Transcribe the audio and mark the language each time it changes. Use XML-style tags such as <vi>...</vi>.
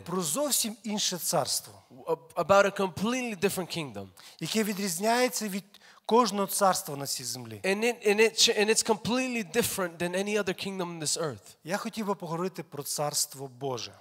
<uk>Про зовсім інше царство.</uk> <en>About a completely different kingdom.</en> <uk>Яке відрізняється від кожного царства на цій землі.</uk> <en>And it's completely different than any other kingdom on this earth.</en> <uk>Я хотів би поговорити про царство Боже.</uk>